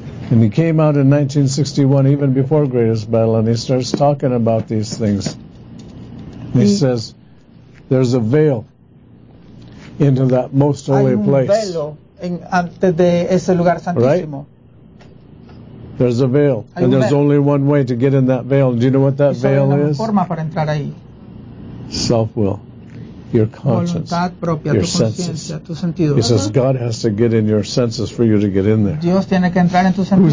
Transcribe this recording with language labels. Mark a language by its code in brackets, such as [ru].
[en] And he came out in 1961, even before greatest battle, and he starts talking about these things. He says, there's a veil into that most holy place. [es] Hay un velo en, antes de ese lugar santísimo. [en] Right? There's a veil, and there's only one way to get in that veil. Do you know what that veil is? [es] Forma para entrar ahí. [en] Self-will, your conscience, [es] voluntad propia, [en] your [es] tu [en] senses. [es] Tu sentido. [en] He says God has to get in your senses for you to get in there. [es] Dios tiene que entrar en tus sentidos.